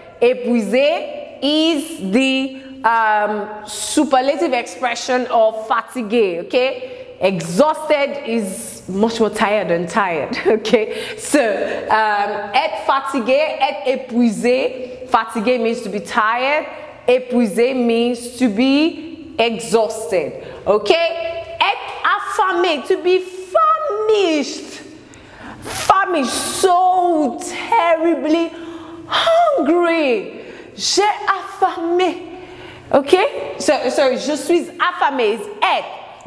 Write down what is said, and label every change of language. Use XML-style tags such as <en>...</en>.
<en>Épuisé is the superlative expression of fatigué, okay? Exhausted is much more tired than tired, okay?</en> <fr>So, être fatigué, être épuisé.</fr> <en>Fatigué means to be tired. Épuisé means to be exhausted, okay?</en> <fr>Être affamé,</fr> <en>to be famished. Famished, so terribly hungry.</en> <fr>J'ai affamé, okay?</fr> <en>So, sorry,</en> <fr>je suis affamé</fr> <en>is être.</en>